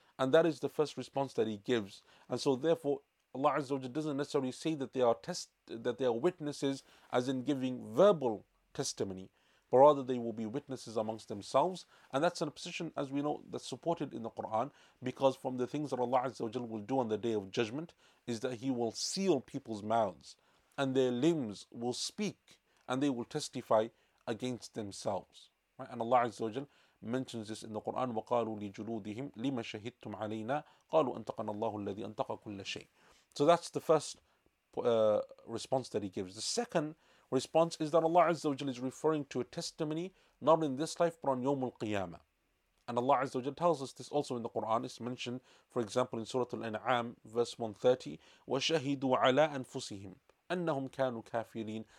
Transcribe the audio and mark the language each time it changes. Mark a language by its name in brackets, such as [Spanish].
[English] And that is the first response that he gives. And so therefore, Allah Azza wa Jalla doesn't necessarily say that they are witnesses as in giving verbal testimony, but rather they will be witnesses amongst themselves. And that's a position, as we know, that's supported in the Quran, because from the things that Allah Azza wa Jalla will do on the Day of Judgment is that he will seal people's mouths and their limbs will speak and they will testify against themselves. Right? And Allah Azza wa Jalla mentions this in the Quran, [Arabic] وَقَالُوا لِجُلُودِهِمْ لِمَ شَهِدْتُمْ عَلَيْنَا قَالُوا أَنْتَقَنَ اللَّهُ الَّذِي أَنْتَقَ كُلَّ شَيْءٍ. [English] So that's the first response that he gives. The second response is that Allah Azza wa Jalla is referring to a testimony, not in this life, but on Yawmul Qiyamah. And Allah Azza wa Jalla tells us this also in the Quran. It's mentioned, for example, in Surah Al-An'am, verse 130, [Arabic] وَشَهِدُوا عَلَىٰ أَنفُسِهِمْ أَنَّهُمْ كَانُوا كَافِرِينَ.